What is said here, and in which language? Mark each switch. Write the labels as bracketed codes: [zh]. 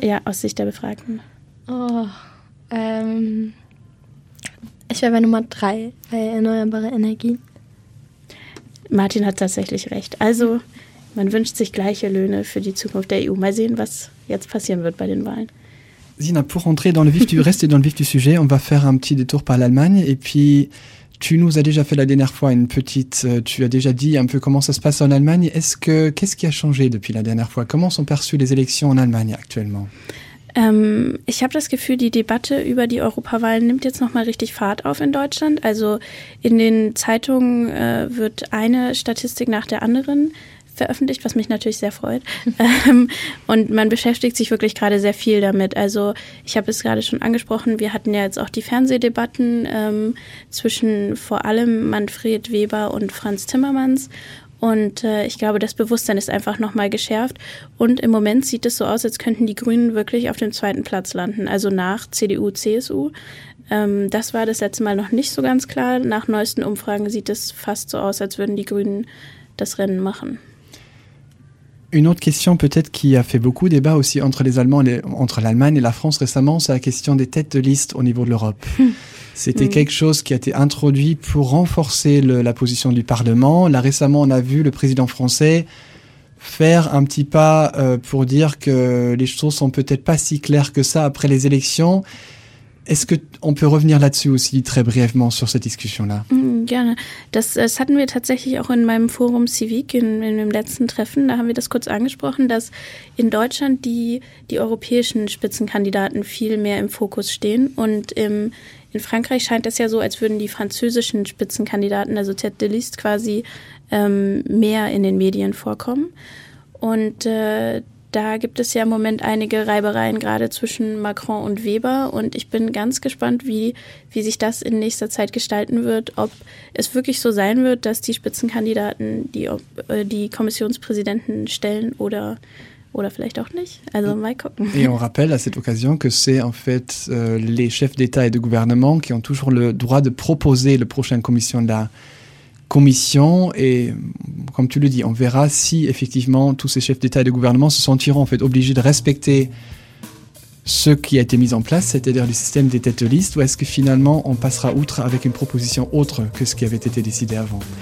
[de] Ja, aus Sicht der Befragten. Oh, ich wäre bei Nummer 3, bei erneuerbare Energie. Martin hat tatsächlich recht. Also, man wünscht sich gleiche Löhne für die Zukunft der EU. Mal sehen, was jetzt passieren wird bei den Wahlen. [fr] Sina, pour rentrer dans le vif du reste dans le vif du sujet, on va faire un petit détour par l'Allemagne et puis... Tu nous as déjà fait la dernière fois une petite... Tu as déjà dit un peu comment ça se passe en Allemagne. Qu'est-ce qui a changé depuis la dernière fois? Comment sont perçues les élections en Allemagne actuellement? [de] Ich habe das Gefühl, die Debatte über die Europawahlen nimmt jetzt nochmal richtig Fahrt auf in Deutschland. Also in den Zeitungen wird eine Statistik nach der anderen veröffentlicht, was mich natürlich sehr freut. Und man beschäftigt sich wirklich gerade sehr viel damit. Also ich habe es gerade schon angesprochen, wir hatten ja jetzt auch die Fernsehdebatten zwischen vor allem Manfred Weber und Franz Timmermans. Und ich glaube, das Bewusstsein ist einfach nochmal geschärft. Und im Moment sieht es so aus, als könnten die Grünen wirklich auf dem zweiten Platz landen, also nach CDU, CSU. Das war das letzte Mal noch nicht so ganz klar. Nach neuesten Umfragen sieht es fast so aus, als würden die Grünen das Rennen machen. [fr] Une autre question peut-être qui a fait beaucoup débat aussi entre les Allemands, entre l'Allemagne et la France récemment, c'est la question des têtes de liste au niveau de l'Europe. C'était quelque chose qui a été introduit pour renforcer la position du Parlement. Là, récemment, on a vu le président français faire un petit pas pour dire que les choses sont peut-être pas si claires que ça après les élections. Est-ce qu'on peut revenir là-dessus aussi très brièvement sur cette discussion-là? [de] Gerne. Das hatten wir tatsächlich auch in meinem Forum Civic in dem letzten Treffen. Da haben wir das kurz angesprochen, dass in Deutschland die europäischen Spitzenkandidaten viel mehr im Fokus stehen. Und in Frankreich scheint es ja so, als würden die französischen Spitzenkandidaten, also Tête de Liste, quasi mehr in den Medien vorkommen. Und da gibt es ja im Moment einige Reibereien, gerade zwischen Macron und Weber. Und ich bin ganz gespannt, wie sich das in nächster Zeit gestalten wird, ob es wirklich so sein wird, dass die Spitzenkandidaten die Kommissionspräsidenten stellen oder vielleicht auch nicht. Also mal gucken. [fr] Et on rappelle à cette occasion que c'est en fait les chefs d'État et de gouvernement qui ont toujours le droit de proposer le prochain commissionnaire. Commission, et comme tu le dis, on verra si effectivement tous ces chefs d'État et de gouvernement se sentiront en fait obligés de respecter ce qui a été mis en place, c'est-à-dire le système des têtes de liste, ou est-ce que finalement on passera outre avec une proposition autre que ce qui avait été décidé avant.